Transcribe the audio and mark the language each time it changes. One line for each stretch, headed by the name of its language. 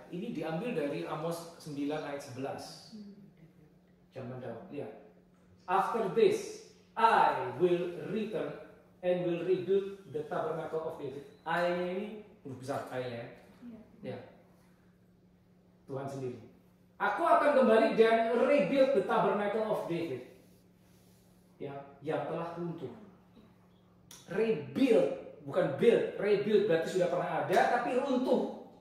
Indonesian: Ini diambil dari Amos 9 ayat 11. Zaman Daud, ya.
English: After this, I will return and will rebuild the tabernacle of David.
Indonesian: I-nya ini huruf besar, I-nya. Ya. Tuhan sendiri. Aku akan kembali dan
English: rebuild the tabernacle of David.
Indonesian: Ya, yang telah runtuh. Rebuild, bukan build. Rebuild berarti sudah pernah ada, tapi runtuh.